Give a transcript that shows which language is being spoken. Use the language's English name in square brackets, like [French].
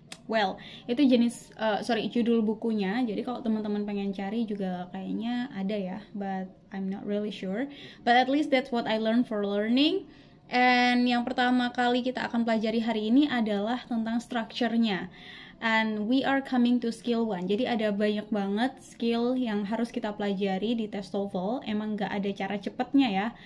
[Indonesian] Well, itu jenis judul bukunya. Jadi kalau teman-teman pengen cari juga kayaknya ada ya, [English] but I'm not really sure. But at least that's what I learned for learning. [Indonesian] And yang pertama kali kita akan pelajari hari ini adalah tentang structure-nya. [English] And we are coming to skill 1. [Indonesian] Jadi ada banyak banget skill yang harus kita pelajari di tes Toefl. Emang nggak ada cara cepatnya ya.